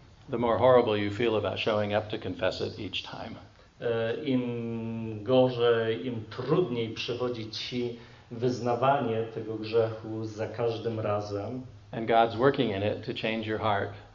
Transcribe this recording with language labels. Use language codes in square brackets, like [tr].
[en] the more horrible you feel about showing up to confess it each time. [pl] Im gorzej, im trudniej przychodzi ci wyznawanie tego grzechu za każdym razem. [en] And God's working in it to change your heart.